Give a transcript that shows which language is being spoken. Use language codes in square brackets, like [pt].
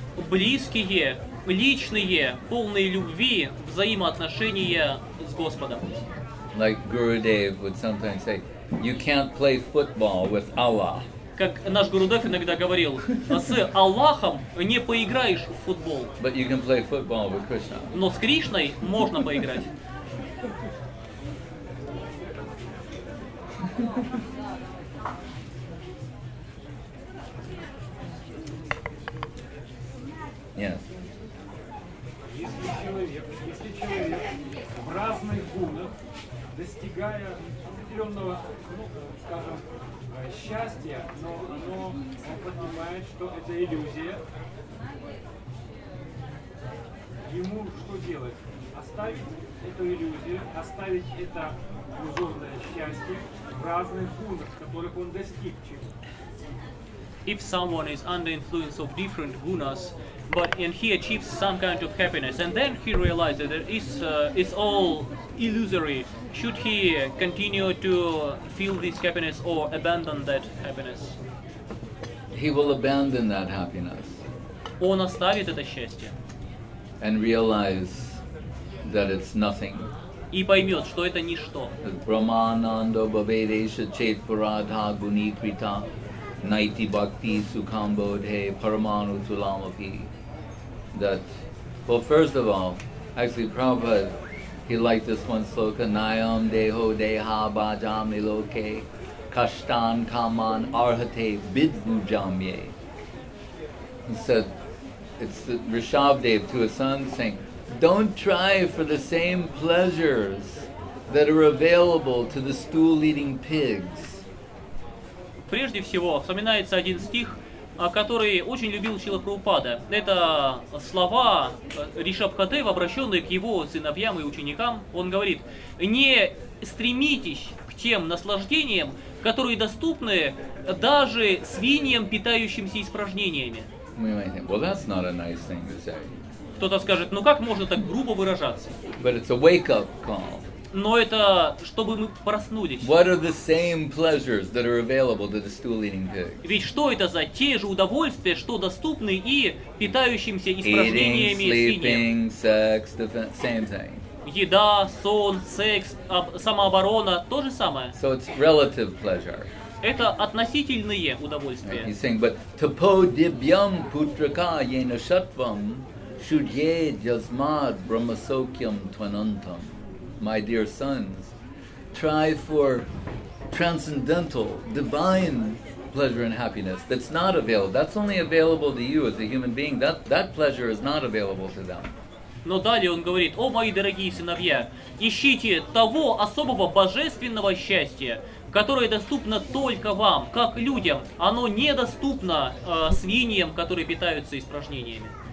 [ru] Близкие, личные, полные любви, взаимоотношения с Господом. [en] Like Gurudev would sometimes say, you can't play football with Allah. [ru] Как наш Гурудев иногда говорил, с Аллахом не поиграешь в футбол. [en] But you can play football with Krishna. [ru] Но с Кришной можно поиграть. [en] Yes. [ru] Если человек в разных гунах, достигая определенного, ну, скажем, счастье, но оно, он понимает, что это иллюзия. Ему что делать? Оставить эту иллюзию, оставить это иллюзорное счастье в разных гунах, которых он достиг. [en] If someone is under influence of different gunas, but and he achieves some kind of happiness, and then he realizes that it's all illusory, should he continue to feel this happiness or abandon that happiness? He will abandon that happiness. [ru] Он оставит это счастье. [en] And realize that it's nothing. [ru] И поймет, что это ничто. [sa] Брахмананда бхавейдеша чет парадха гуни крита найти бхакти сукам бодхе параману туламапи. [en] That, well, first of all, actually Prabhupada, he liked this one sloka, [sa] nayam deho deha bhajami loke kashtan kaman arhate bidbhujamye. [en] He said, it's Rishabhdev to his son saying, don't try for the same pleasures that are available to the stool-eating pigs. [ru] Прежде всего, вспоминается один стих, который очень любил Шрила Прабхупада. Это слова Ришабхадева, обращенные к его сыновьям и ученикам. Он говорит, не стремитесь к тем наслаждениям, которые доступны даже свиньям, питающимся испражнениями. [en] Well, that's not a nice thing to say. [ru] Кто-то скажет, ну как можно так грубо выражаться? [en] But it's a wake-up call. [ru] Но это чтобы мы проснулись. [en] What are the same pleasures that are available to the stool-eating pig? [ru] Ведь что это за те же удовольствия, что доступны и питающимся испражнениями свиньям? [en] Eating, sleeping, sex, defense, same thing. [ru] Еда, сон, секс, самооборона, то же самое. [en] So it's relative pleasure. [ru] Это относительные удовольствия. [en] He's saying, but [sa] tapo dibyam putraka yena shatvam shudye jasmad brahmasokyam tvanantam. [en] My dear sons, try for transcendental, divine pleasure and happiness that's not available. That's only available to you as a human being. That pleasure is not available to them. [ru] Но далее он говорит, о мои дорогие сыновья, ищите того особого божественного счастья, которое доступно только вам, как людям. Оно недоступно свиньям, которые питаются испражнениями.